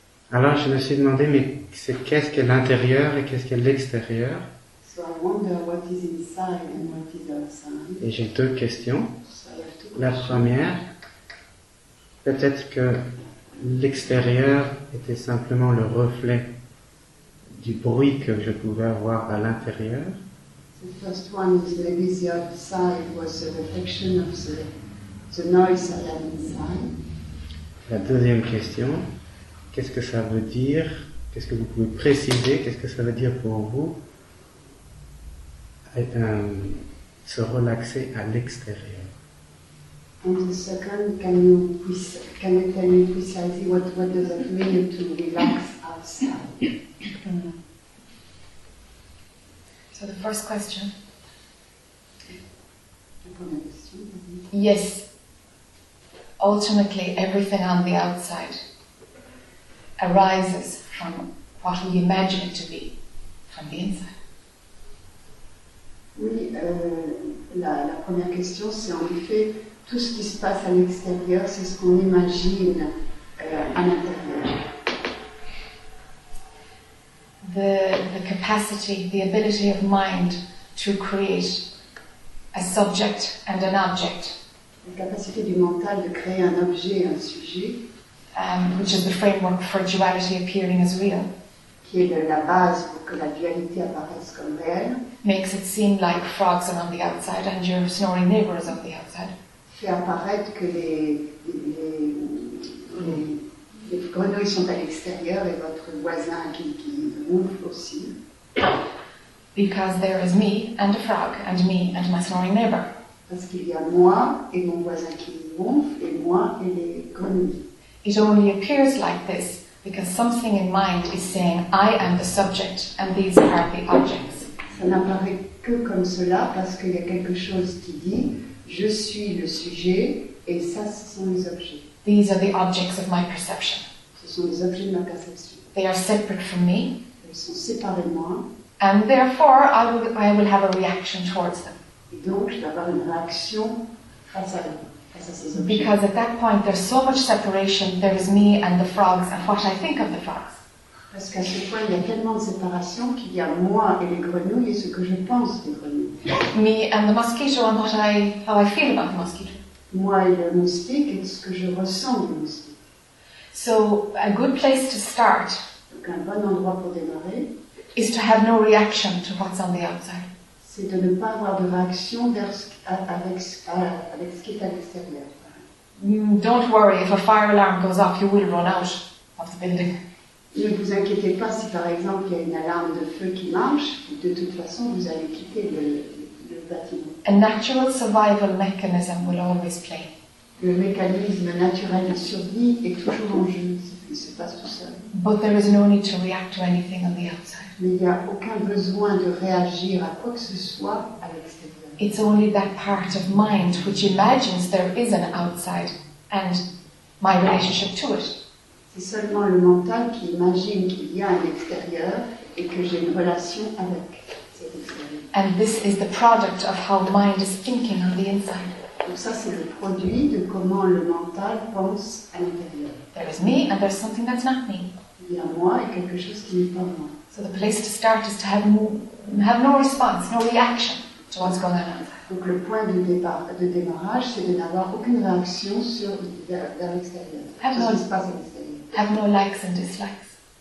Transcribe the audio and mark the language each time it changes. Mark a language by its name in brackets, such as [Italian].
[French] alors je me suis demandé, mais c'est qu'est-ce qu'est l'intérieur et qu'est-ce qu'est l'extérieur? [English] So I wonder what is inside and what is outside. [French] Et j'ai deux questions. [English] So [French] la première, peut-être que l'extérieur était simplement le reflet du bruit que je pouvais avoir à l'intérieur. [English] The first one is maybe the outside was a reflection of the noise I had inside. [French] La deuxième question, qu'est-ce que ça veut dire? Qu'est-ce que vous pouvez préciser? Qu'est-ce que ça veut dire pour vous se relaxer à l'extérieur? [English] And the second, can you tell me precisely what does it mean to relax outside? So the first question. Mm-hmm. Yes. Ultimately, everything on the outside arises from what we imagine it to be from the inside. [French] Oui, la première question, c'est en effet tout ce qui se passe à l'extérieur, c'est ce qu'on imagine à l'intérieur. [English] The capacity, the ability of mind to create a subject and an object. [French] La capacité du mental de créer un objet et un sujet, [English] which is the framework for duality appearing as real, [French] qui est la base pour que la dualité apparaisse comme réelle, [English] makes it seem like frogs are on the outside and your snoring neighbor is on the outside. [French] Fait apparaître que les grenouilles sont à l'extérieur et votre voisin qui ronfle aussi. [English] Because there is me and a frog and me and my snoring neighbor. [French] Parce qu'il y a moi et mon voisin qui ronfle et moi et les grenouilles. [English] It only appears like this because something in mind is saying I am the subject and these are the objects. [French] Ça n'apparaît que comme cela parce qu'il y a quelque chose qui dit Je suis le sujet et ça, ce sont les objets. [English] These are the objects of my perception. [French] Ce sont les objets de ma perception. [English] They are separate from me. [French] Ils sont séparés de moi. [English] And therefore, I will have a reaction towards them. [French] Et donc, je vais avoir une réaction face à eux. [English] Because at that point there's so much separation, there is me and the frogs and what I think of the frogs. [French] Parce qu'à ce point, il y a tellement de séparation qu'il y a moi et les grenouilles et ce que je pense des grenouilles. [English] Me and the mosquito and how I feel about the mosquito. [French] Moi et le moustique et ce que je ressens du moustique. [English] So a good place to start. [French] Donc un bon endroit pour démarrer. [English] Is to have no reaction to what's on the outside. [French] C'est de ne pas avoir de réaction avec ce qui est à l'extérieur. [English] Don't worry, if a fire alarm goes off, you will run out of the building. [French] Ne vous inquiétez pas si par exemple il y a une alarme de feu qui marche, de toute façon vous allez quitter le bâtiment. [English] A natural survival mechanism will always play. [French] Le mécanisme naturel de survie est toujours en jeu, il se passe tout seul. [English] But there is no need to react to anything on the outside. [French] Mais il n'y a aucun besoin de réagir à quoi que ce soit à l'extérieur. [English] It's only that part of mind which imagines there is an outside and my relationship to it. [French] C'est seulement le mental qui imagine qu'il y a un extérieur et que j'ai une relation avec cet extérieur. [English] And this is the product of how mind is thinking on the inside. [French] Donc ça c'est le produit de comment le mental pense à l'intérieur. [English] There is me and there's something that's not me. [French] Il y a moi et quelque chose qui n'est pas moi. [English] So the place to start is to have no response, no reaction to what's going on. [French] Donc le point de départ, de démarrage, c'est de n'avoir aucune réaction sur vers l'extérieur. [English] Have no likes and dislikes.